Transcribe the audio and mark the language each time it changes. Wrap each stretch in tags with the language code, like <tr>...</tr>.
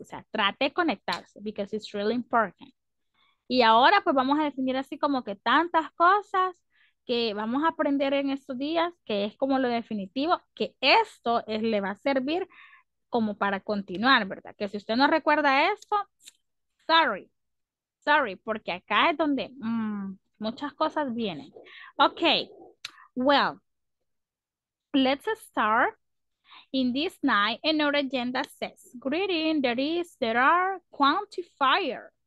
<es>O sea, trate de conectarse,</es> <en>because it's really important.</en> <es>Y ahora, pues, vamos a definir así como que tantas cosas que vamos a aprender en estos días, que es como lo definitivo, que esto es, le va a servir como para continuar, ¿verdad? Que si usted no recuerda esto,</es> <en>sorry. Sorry,</en> <es>porque acá es donde muchas cosas vienen.</es> <en>Okay, well, let's start. In this night, another agenda says, greeting, there is, there are, quantifier.</en>